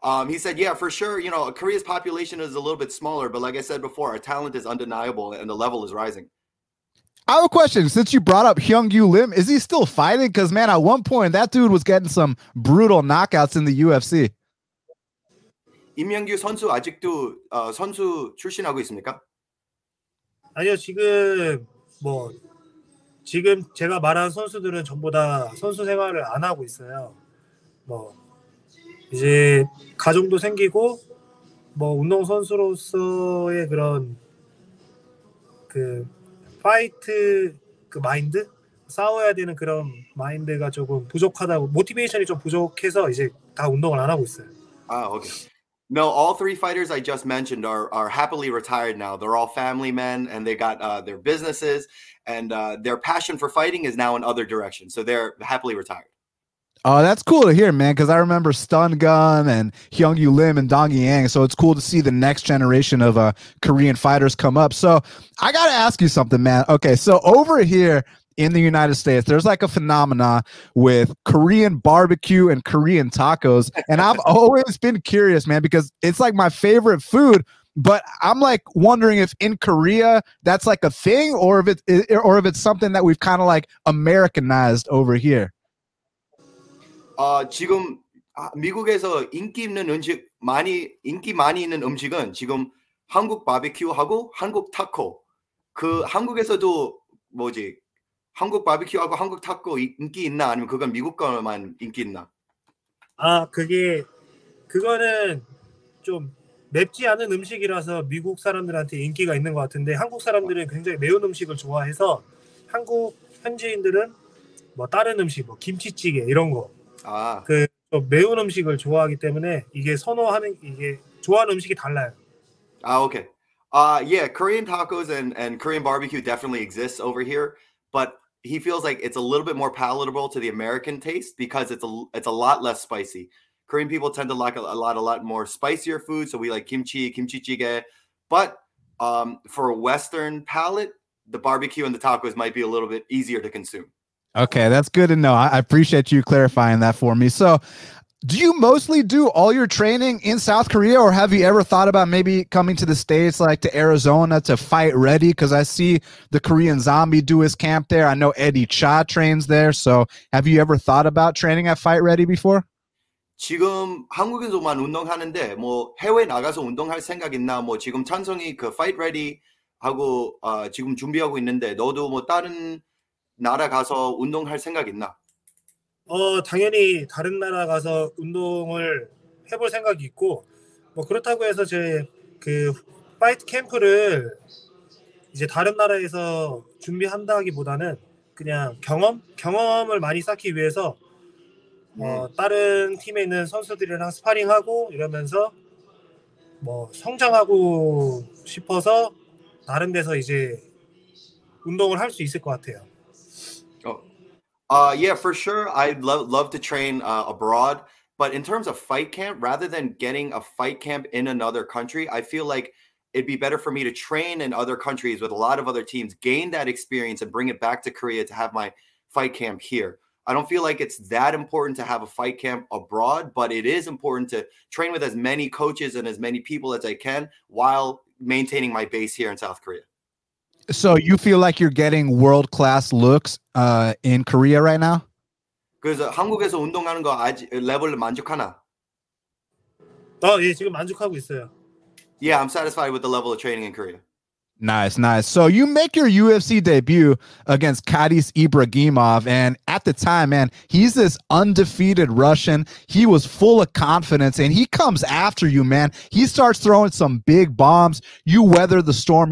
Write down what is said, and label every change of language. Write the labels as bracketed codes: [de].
[en] He said, yeah, for sure, you know, Korea's population is a little bit smaller, but like I said before, our talent is undeniable and the level is rising. I have a question. Since you brought up Hyungyu Lim, is he still fighting? Because, man, at one point, that dude was getting some brutal knockouts in the UFC. [ko] 임영규 선수 아직도 선수 출신하고 있습니까? 아니요, 지금 뭐 지금 제가 말한 선수들은 전부 다 선수 생활을 안 하고 있어요. 뭐 이제 가정도 생기고 뭐 운동 선수로서의 그런 그 파이트 그 마인드 싸워야 되는 그런 마인드가 조금 부족하다고 모티베이션이 좀 부족해서 이제 다 운동을 안 하고 있어요. 아, 오케이. [en] No, all three fighters I just mentioned are happily retired now. They're all family men, and they got their businesses, and their passion for fighting is now in other directions. So they're happily retired. Oh, that's cool to hear, man, because I remember Stun Gun and Hyungyu Lim and Dong Yang. So it's cool to see the next generation of Korean fighters come up. So I got to ask you something, man. Okay, so over here in the United States, there's like a phenomena with Korean barbecue and Korean tacos. And I've always been curious, man, because it's like my favorite food, but I'm like wondering if in Korea that's like a thing or if it's something that we've kind of like Americanized over here. [ko] 지금 미국에서 인기 있는 음식 많이 인기 많이 있는 음식은 지금 한국 바비큐하고 한국 타코. 그 한국에서도 뭐지? 한국 바비큐하고 한국 타코 인기 있나 아니면 그건 미국 거만 인기 있나? 아 그게 그거는 좀 맵지 않은 음식이라서 미국 사람들한테 인기가 있는 것 같은데 한국 사람들은 굉장히 매운 음식을 좋아해서 한국 현지인들은 뭐 다른 음식 뭐 김치찌개 이런 거 아 그 매운 음식을 좋아하기 때문에 이게 선호하는 이게 좋아하는 음식이 달라요. 아 오케이. [en] Yeah, Korean tacos and Korean barbecue definitely exists over here. But he feels like it's a little bit more palatable to the American taste because it's a lot less spicy. Korean people tend to like a lot more spicier food. So we like kimchi jjigae. But for a Western palate, the barbecue and the tacos might be a little bit easier to consume. Okay, that's good to know. I appreciate you clarifying that for me. So do you mostly do all your training in South Korea or have you ever thought about maybe coming to the States, like to Arizona to fight ready? Because I see the Korean Zombie do his camp there. I know Eddie Cha trains there. So have you ever thought about training at Fight Ready before? [ko] 지금 한국에서만 운동하는데 뭐 해외 나가서 운동할 생각 있나? 뭐 지금 찬성이 그 Fight Ready 하고 지금 준비하고 있는데 너도 뭐 다른 나라 가서 운동할 생각 있나? 당연히 다른 나라 가서 운동을 해볼 생각이 있고 뭐 그렇다고 해서 제 그 파이트 캠프를 이제 다른 나라에서 준비한다기보다는 그냥 경험을 많이 쌓기 위해서 다른 팀에 있는 선수들이랑 스파링하고 이러면서 뭐 성장하고 싶어서 다른 데서 이제 운동을 할 수 있을 것 같아요. [en] Yeah, for sure. I'd love to train abroad. But in terms of fight camp, rather than getting a fight camp in another country, I feel like it'd be better for me to train in other countries with a lot of other teams, gain that experience and bring it back to Korea to have my fight camp here. I don't feel like it's that important to have a fight camp abroad, but it is important to train with as many coaches and as many people as I can while maintaining my base here in South Korea. So you feel like you're getting world-class looks in Korea right now? [ko] 그래서 한국에서 운동하는 거 아직 레벨을 만족하나? 예, 지금 만족하고 있어요. [en] Yeah, I'm satisfied with the level of training in Korea. Nice, nice. So you make your UFC debut against Kadys Ibragimov. And at the time, man, he's this undefeated Russian. He was full of confidence and he comes after you, man. He starts throwing some big bombs. You weather the storm.